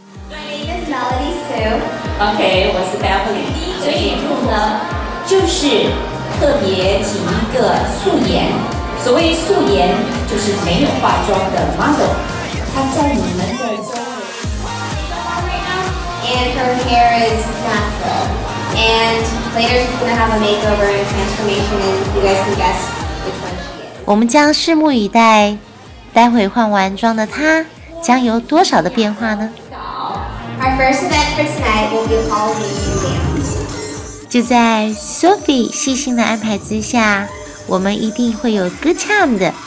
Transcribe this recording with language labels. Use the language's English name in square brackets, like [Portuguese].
[English] My name is Melody Sue。 [Chinese] OK， 我是 Beverly。第一个节目呢就是特别请一个素颜，所谓素颜就是没有化妆的 model， 她在你们的 [English] And her hair is natural. And later she's gonna have a makeover and transformation, and you guys can guess which one she is. [Chinese] 我们将拭目以待，待会换完妆的她将有多少的变化呢？ [English] Our first event for tonight will be a Halloween event. [Chinese] 就在 Sophie 细心的安排之下，我们一定会有 [English] good time [Chinese] 的。